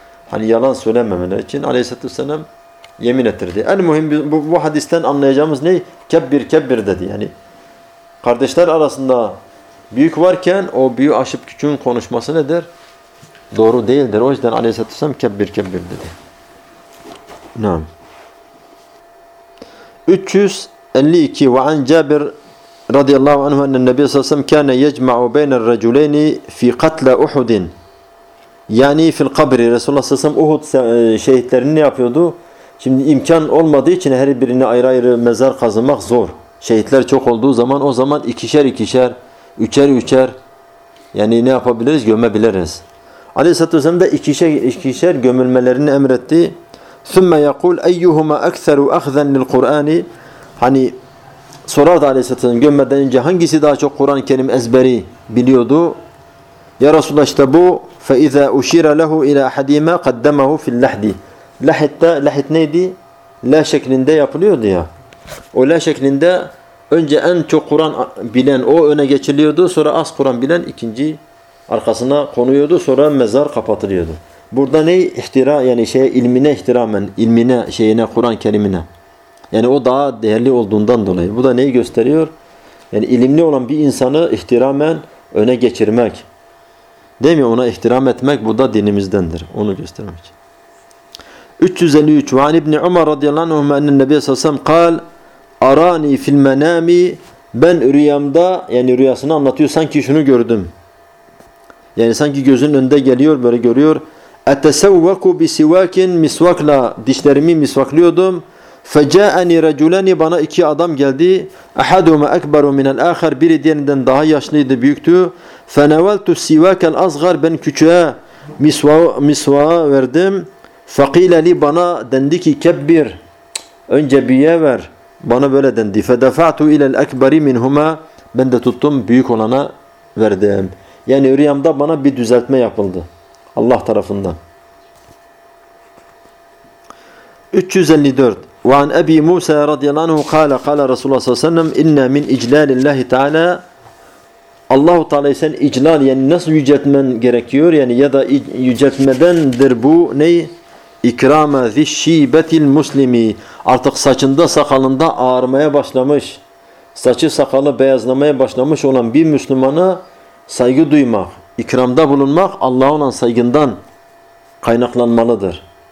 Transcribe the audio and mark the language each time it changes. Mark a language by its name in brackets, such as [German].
[Turkish] Hani yalan söylememeleri için aleyhissalatü vesselam yemin ettirdi. En mühim bu hadisten anlayacağımız ne? Kebbir kebbir dedi. Yani kardeşler arasında büyük varken o büyü aşıp küçüğün konuşması nedir? Doğru değildir. O yüzden aleyhissalatü vesselam kebbir kebbir dedi. Naam. [Arabic] 352 وعن جابر رضي الله عنه أن النبي صلى الله عليه وسلم كان يجمع بين الرجلين في قتل أحد يعني في القبر. رسول الله صلى الله عليه وسلم أحد [Turkish] şehitlerini ne yapıyordu? Şimdi imkan olmadığı için her birine ayrı ayrı mezar kazmak zor. Şehitler çok olduğu zaman o zaman ikişer ikişer, üçer üçer, yani ne yapabiliriz? Gömebiliriz. Aleyhisselatü Vesselam da ikişer gömülmelerini emretti. [Arabic] ثم يقول أيهما أكثر أخذا للقرآن, [Turkish] hani sorar da aleyhisselam gömmeden önce hangisi daha çok Kur'an-ı Kerim ezberi biliyordu? Ya Resulullah, işte bu. [Arabic] فإذا أشير له إلى أحدهما قدمه في اللحد. [Turkish] لحد neydi? La şeklinde yapılıyordu ya. O la şeklinde önce en çok Kur'an bilen o öne geçiliyordu. Sonra az Kur'an bilen ikinci arkasına konuyordu. Sonra mezar kapatılıyordu. Burada ne ihtira, yani şey, ilmine ihtiramen, ilmine, şeyine, Kur'an-ı Kerim'ine. Yani o daha değerli olduğundan dolayı. Bu da neyi gösteriyor? Yani ilimli olan bir insanı ihtiramen öne geçirmek. Değil mi? Ona ihtiram etmek bu da dinimizdendir. Onu göstermek için. [Arabic] 353 وعن ابن عمر رضي الله عنهما أن النبي صلى الله عليه وسلم قال أراني في المنام, [Turkish] ben rüyamda, yani rüyasını anlatıyor, sanki şunu gördüm. Yani sanki gözünün önünde geliyor, böyle görüyor. [Arabic] اَتَسَوَّكُ بِسِوَاكٍ, [Turkish] misvakla dişlerimi misvaklıyordum. [Arabic] فَجَاءَنِ رَجُلَنِ, [Turkish] bana iki adam geldi. [Arabic] اَحَدُهُمَا اَكْبَرُ مِنَ الْآخَرِ, [Turkish] biri diğerinden daha yaşlıydı, büyüktü. [Arabic] فَنَوَلْتُ السِّوَاكَ الْأَصْغَرِ, [Turkish] ben küçüğe misvağı verdim. [Arabic] فَقِيلَ لِي, [Turkish] bana dendi ki kebbir, önce büyüğe ver, bana böyle dendi. [Arabic] فَدَفَعْتُ اِلَى الْأَكْبَرِ مِنْهُمَا, [Turkish] ben de tuttum büyük olana verdim. Yani rüyamda bana bir düzeltme yapıldı Allah tarafından. [Arabic] 354 وعن أبي موسى رضي الله عنه قال قال رسول الله صلى الله عليه وسلم إن من إجلال الله تعالى, الله تعالى [Turkish] sen iclal, yani nasıl yüceltmen gerekiyor, yani ya da yüceltmedendir bu ne? [Arabic] İkrama zi şibetil muslimi, [Turkish] artık saçında sakalında ağarmaya başlamış, saçı sakalı beyazlamaya başlamış olan bir Müslümana saygı duymak, İkramda bulunmak Allah'a olan saygından kaynaklanmalıdır.